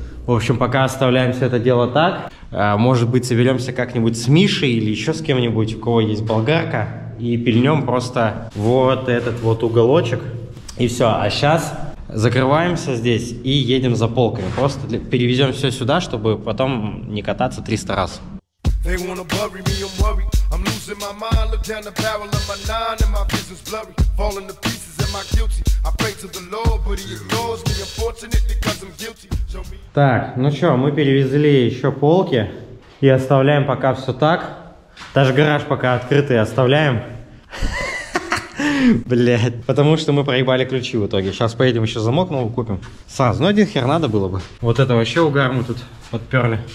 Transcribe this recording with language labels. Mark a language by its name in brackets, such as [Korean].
[Russian] В общем, пока оставляем все это дело так. Может быть, соберемся как-нибудь с Мишей или еще с кем-нибудь, у кого есть болгарка, и пильнем просто вот этот вот уголочек, и все. А сейчас закрываемся здесь и едем за полками. Просто перевезем все сюда, чтобы потом не кататься 300 раз. [English] They wanna bury me, I'm worried. I'm losing my mind, look down the barrel of my nine and my business blurry. Falling to pieces, am I guilty? I pray to the Lord, but he ignores me. Unfortunately, cause I'm guilty. [Russian] Так, ну что, мы перевезли еще полки и оставляем пока все так. Даже гараж пока открытый оставляем. Блять, потому что мы проебали ключи в итоге. Сейчас поедем еще замок новый купим. Сразу, ну один хер надо было бы. Вот это вообще угар мы тут подперли.